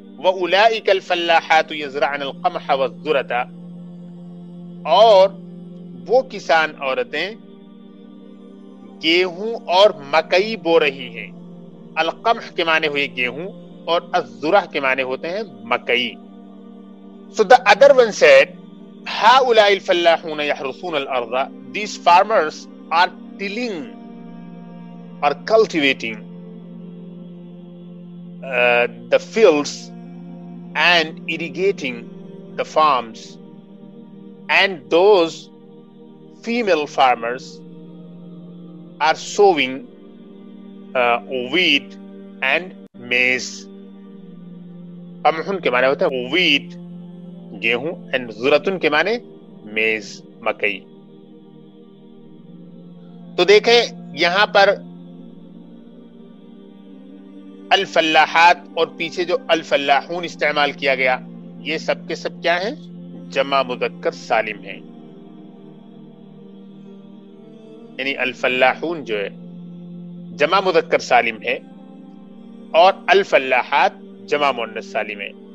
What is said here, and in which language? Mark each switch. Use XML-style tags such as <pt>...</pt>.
<ar>وأولئك الفلاحات يزرعن القمح والذرة،</ar> <ur>اور وہ کسان عورتیں گیہوں اور مکئی بو رہی ہیں، القمح کے معنی ہوئے گیہوں اور الذرة کے معنی ہوتے ہیں مکئی.</ur> <en>So the other one said</en> <ar>هؤلاء الفلاحون يحرسون الأرض،</ar> <en>these farmers are tilling or cultivating the fields and irrigating the farms. And those female farmers are sowing wheat and maize.</en> <ur>قمحن کے معنی ہوتا ہے wheat، گیہوں، and ذرتن کے معنی میز، مکئی. تو دیکھیں یہاں پر الفلاحات اور پیچھے جو الفلاحون استعمال کیا گیا، یہ سب کے سب کیا ہیں؟ جمع مذکر سالم ہیں، یعنی الفلاحون جو ہے جمع مذکر سالم ہے اور الفلاحات جمع مؤنث سالم ہے.</ur>